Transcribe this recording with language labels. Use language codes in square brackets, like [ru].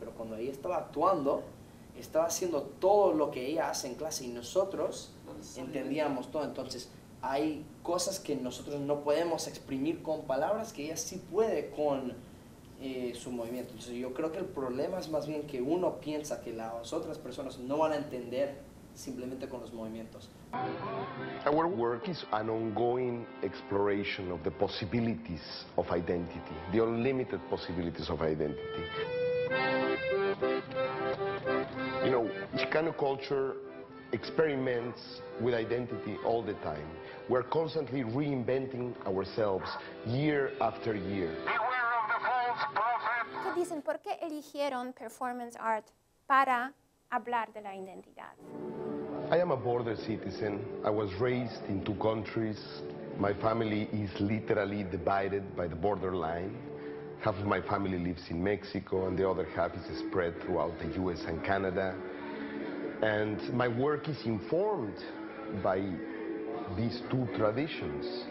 [es] Pero cuando ella estaba actuando, estaba haciendo todo lo que ella hace en clase y nosotros entendíamos todo. Entonces, hay cosas que nosotros no podemos exprimir con palabras que ella sí puede con su movimiento. Entonces, yo creo que el problema es más bien que uno piensa que las otras personas no van a entender simplemente con los movimientos. [en] Our work is an ongoing exploration of the possibilities of identity, the unlimited possibilities of identity. You know, Chicano culture experiments with identity all the time. We're constantly reinventing ourselves year after year. [es] ¿Qué dicen? ¿Por qué eligieron performance art para hablar de la identidad? [en] I am a border citizen. I was raised in two countries. My family is literally divided by the borderline. Half of my family lives in Mexico and the other half is spread throughout the US and Canada. And my work is informed by these two traditions.